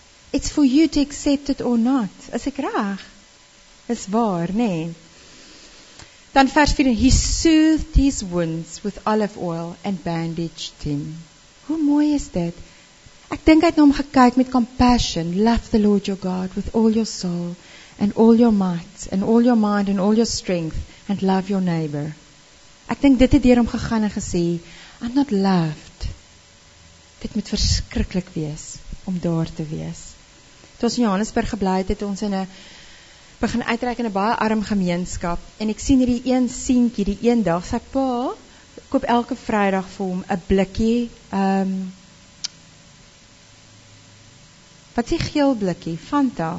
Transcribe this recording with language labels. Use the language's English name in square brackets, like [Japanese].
[English] It's for you to accept it or not. [Afrikaans] Is ek reg? Is waar, nee. Dan vers 4, [English] he soothed his wounds with olive oil and bandaged him. [Afrikaans] Hoe mooi is dit? Ek dink hy het na hom gekyk met compassion. [English] Love the Lord your God with all your soul and all your might and all your mind and all your strength and love your neighbor. [Afrikaans] Ek dink dit het deur hom gegaan en gesê, [English] I'm not loved. [Afrikaans] Dit moet verskriklik wees om daar te wees. Toe ons in Johannesburg gebly het, het ons in 'n begin uitreik in 'n baie arm gemeenskap en ek sien hierdie een seentjie die een dag sy pa koop elke Vrydag vir hom 'n blikkie wat sê geel blikkie Fanta.